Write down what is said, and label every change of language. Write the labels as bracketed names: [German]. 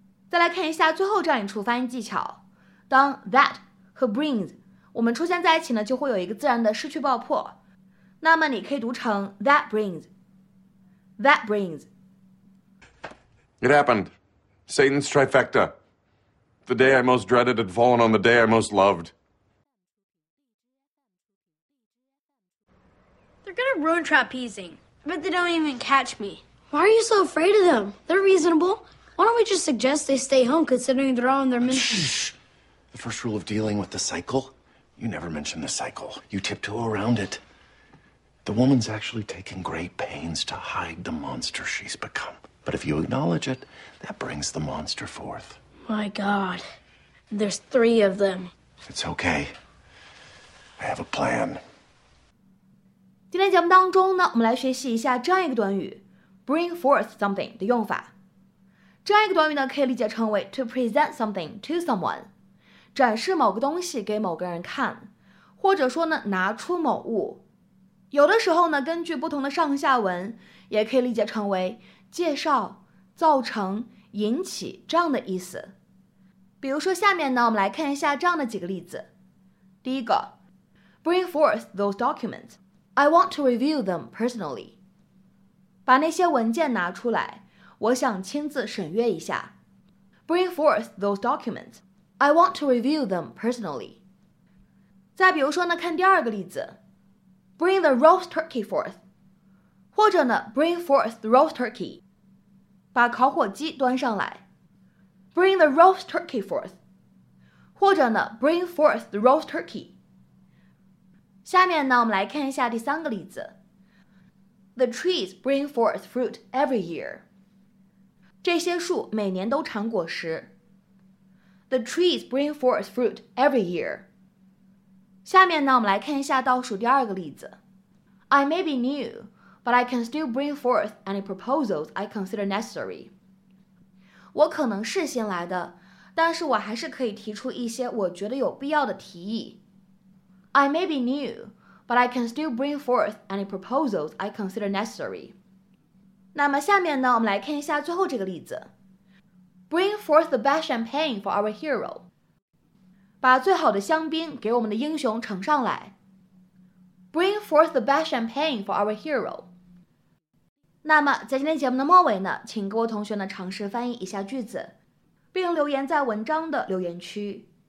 [Chinese] 再来看一下最后这样一处发音技巧，当 that 和 brings 我们出现在一起呢，就会有一个自然的失去爆破，那么你可以读成 [English] that bringsThat brings. It happened. Satan's trifecta. The day I most dreaded had fallen on the day I most loved. They're gonna ruin trapezing. I bet they don't even catch me. Why are you so afraid of them? They're reasonable. Why don't we just suggest they stay home considering they're all in their Shh! The first rule of dealing with the cycle? You never mention the cycle. You tiptoe around it. The woman's actually taking great pains to hide the monster she's become. But if you acknowledge it, that brings the monster forth. My God, there's three of them. It's okay. I have a plan. [Chinese] 今天节目当中呢，我们来学习一下这样一个短语 [English] bring forth something [Chinese] 的用法。这样一个短语呢，可以理解成为 [English] to present something to someone， [Chinese] 展示某个东西给某个人看，或者说呢，拿出某物。有的时候呢，根据不同的上下文，也可以理解成为介绍、造成、引起这样的意思。比如说下面呢，我们来看一下这样的几个例子。第一个 [English] ,Bring forth those documents. I want to review them personally. [Chinese] 把那些文件拿出来，我想亲自审阅一下。 [English] Bring forth those documents. I want to review them personally. [Chinese] 再比如说呢，看第二个例子。 [English] Bring the roast turkey forth. [Chinese] 或者呢 [English] bring forth the roast turkey. [Chinese] 把烤火鸡端上来。 [English] Bring the roast turkey forth. [Chinese] 或者呢 [English] bring forth the roast turkey. [Chinese] 下面呢我们来看一下第三个例子。 [English] The trees bring forth fruit every year. [Chinese] 这些树每年都产果实。 [English] The trees bring forth fruit every year. [Chinese] 下面呢，我们来看一下倒数第二个例子。 [English] I may be new, but I can still bring forth any proposals I consider necessary. [Chinese] 我可能是新来的，但是我还是可以提出一些我觉得有必要的提议。 [English] I may be new, but I can still bring forth any proposals I consider necessary. [Chinese] 那么下面呢，我们来看一下最后这个例子。 [English] Bring forth the best champagne for our hero. [Chinese] 把最好的香槟给我们的英雄呈上来。 [English] Bring forth the best champagne for our hero. [Chinese] 那么在今天节目的末尾呢，请各位同学呢尝试翻译一下句子，并留言在文章的留言区。